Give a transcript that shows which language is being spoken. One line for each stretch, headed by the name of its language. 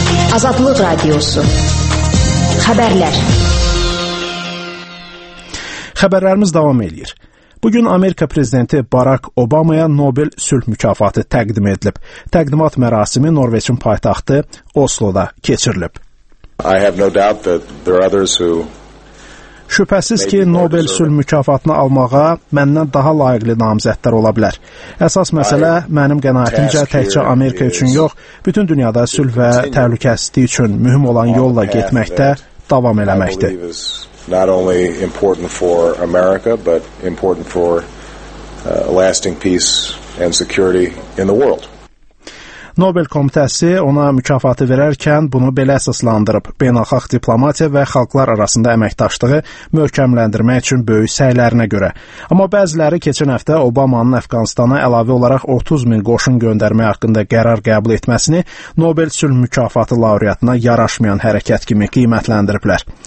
Azerbaijani: Azadlıq Radiosu. Xəbərlər. Xəbərlərimiz davam edir. Bugün Amerika Prezidenti Barack Obamaya Nobel Sülh Mükafatı təqdim edilib. Təqdimat mərasimi Norveçin paytaxtı Oslo'da keçirilib.
English: I have no doubt that there are others who
Azerbaijani: Şübhəsiz ki, Nobel sülh mükafatını almağa məndən daha layiqli namizədlər ola bilər. Əsas məsələ mənim qənaətimcə təkcə Amerika üçün yox, bütün dünyada sülh və təhlükəsizlik üçün mühüm olan yolla getməkdə davam eləməkdir.
English: Not only important for America, but important for lasting peace and security in the world.
Azerbaijani: Nobel Komitəsi ona mükafatı verərkən bunu belə əsaslandırıb. Beynəlxalq diplomatiya və xalqlar arasında əməkdaşlığı möhkəmləndirmək üçün böyük səylərinə görə. Amma bəziləri keçən həftə Obamanın Əfqanistana əlavə olaraq 30 min qoşun göndərmək haqqında qərar qəbul etməsini Nobel Sülh Mükafatı laureatına yaraşmayan hərəkət kimi qiymətləndiriblər.